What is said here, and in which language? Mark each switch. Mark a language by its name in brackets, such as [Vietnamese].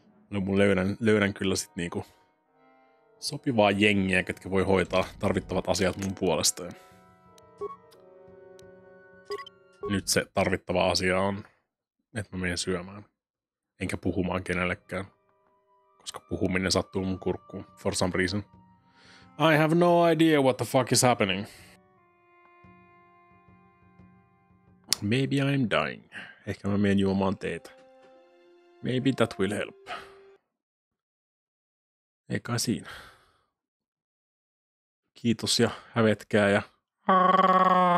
[Finnish] No mun löydän kyllä sit niinku sopivaa jengiä, ketkä voi hoitaa tarvittavat asiat mun puolestaan. Nyt se tarvittava asia on, että mä menen syömään. Enkä puhumaan kenellekään. Koska puhuminen sattuu mun kurkkuun, for some reason. [English] I have no idea what the fuck is happening. Maybe I'm dying. [Finnish] Ehkä mä menen juomaan teetä. Maybe that will help. Eikä siinä. Kiitos ja hävetkää ja...